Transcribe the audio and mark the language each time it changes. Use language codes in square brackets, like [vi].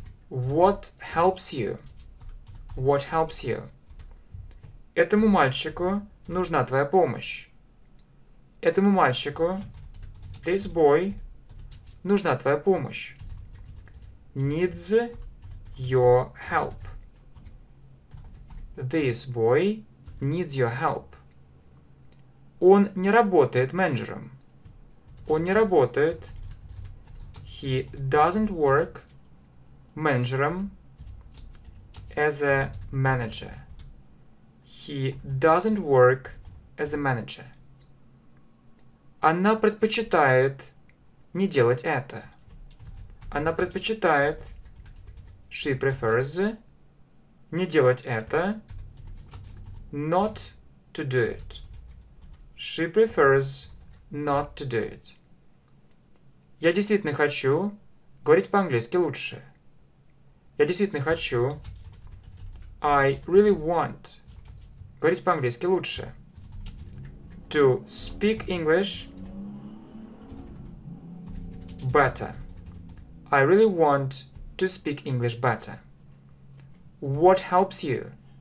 [en] What helps you? What helps you? [ru] Этому мальчику нужна твоя помощь. Этому мальчику, [en] this boy, [ru] нужна твоя помощь. [en] Needs your help. This boy needs your help. [ru] Он не работает менеджером. Он не работает. [en] He doesn't work [ru] менеджером [en] as a manager. He doesn't work as a manager. [ru] Она предпочитает не делать это. Она предпочитает. [en] She prefers [ru] не делать это. [en] Not to do it. She prefers not to do it. [ru] Я действительно хочу говорить по-английски лучше. Я действительно хочу. [en] I really want [ru] говорить по-английски лучше. [en] To speak English better. I really want to speak English better. What helps you?